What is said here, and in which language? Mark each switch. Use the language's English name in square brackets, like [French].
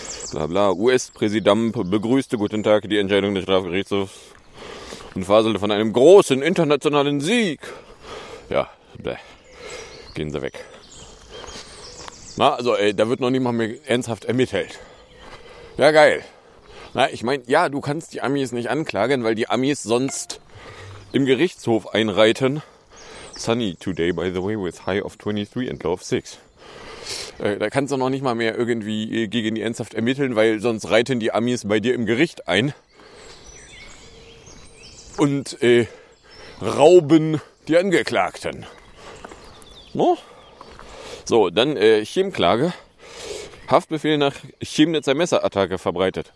[German] Blabla. US-Präsident begrüßte guten Tag die Entscheidung des Strafgerichtshofs und faselte von einem großen internationalen Sieg. Ja, bleh. Gehen sie weg. Na, also, da wird noch niemand mehr ernsthaft ermittelt. Ja, geil. Na, ich meine, ja, du kannst die Amis nicht anklagen, weil die Amis sonst im Gerichtshof einreiten. [English] Sunny today, by the way, with high of 23 and low of 6. [German] Da kannst du noch nicht mal mehr irgendwie gegen die ernsthaft ermitteln, weil sonst reiten die Amis bei dir im Gericht ein. Und rauben die Angeklagten. No? So, dann Chemklage. Haftbefehl nach Chemnitzer Messerattacke verbreitet.